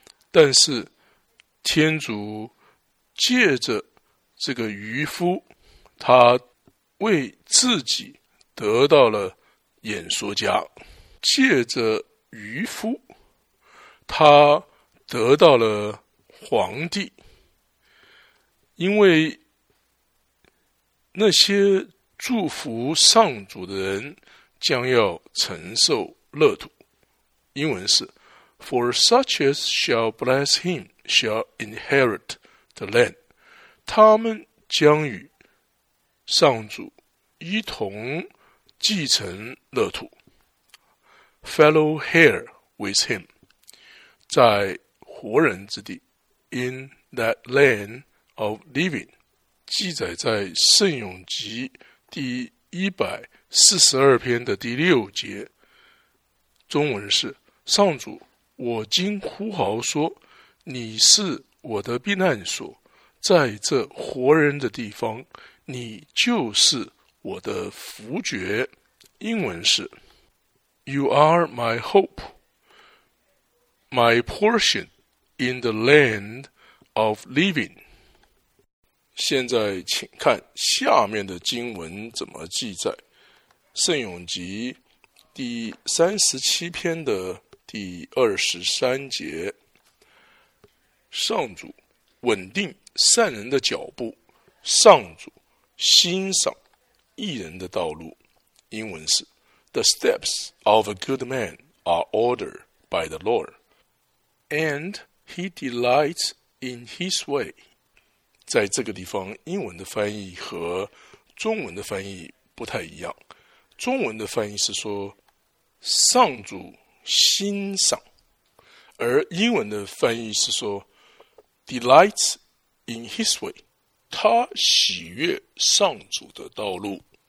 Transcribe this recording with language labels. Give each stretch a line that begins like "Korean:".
Chinese: 但是天主借着这个愚夫，他为自己得到了演说家，借着愚夫他得到了皇帝。因为那些祝福上主的人将要承受乐土，英文是
English: For such as shall bless him shall inherit the land。
Chinese: 他们将与上主一同继承乐土，
English: Fellow heir with him，
Chinese: 在活人之地，
English: In that land of living。
Chinese: 记载在圣咏集第142篇的第6节，中文是：上主，我今呼号说，你是我的避难所，在这活人的地方，你就是我的福爵。英文是
English: You are my hope, my portion in the land of living。
Chinese: 现在请看下面的经文怎么记载，圣咏集第37篇的第23节，上主稳定善人的脚步，上主欣赏义人的道路。英文是
English: The steps of a good man are ordered by the Lord, and he delights in his way。
Chinese: 在这个地方英文的翻译和中文的翻译不太一样，中文的翻译是说上主欣赏，而英文的翻译是说
English: delights in his way,
Chinese: 他喜悦上主的道路。